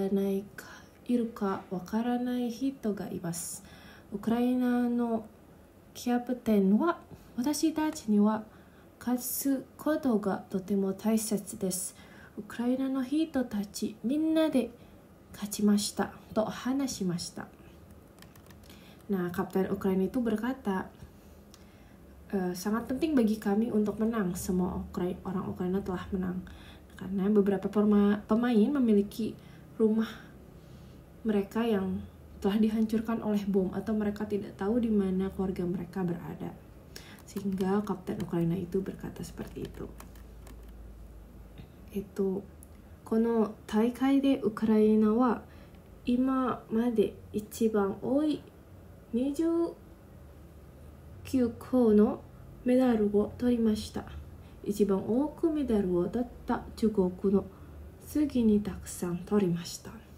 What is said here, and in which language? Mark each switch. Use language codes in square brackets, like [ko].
[ja] い人がいます。ウクライナのキャプテンは私たちには勝つことがとても大切です。ウクライナの人たちみんなで勝ちましたと話しました。 [id] Nah, Kapten Ukraina itu berkata, sangat penting bagi kami untuk menang. Semua orang Ukraina telah menang. Karena beberapa pemain memiliki rumah mereka yang telah dihancurkan oleh bom atau mereka tidak tahu di mana keluarga mereka berada. Sehingga Kapten Ukraina itu berkata seperti itu. [ja] Itu, この大会でウクライナは今まで一番多い29個のメダルを取りました。一番多くメダルを取った中国の次にたくさん取りました。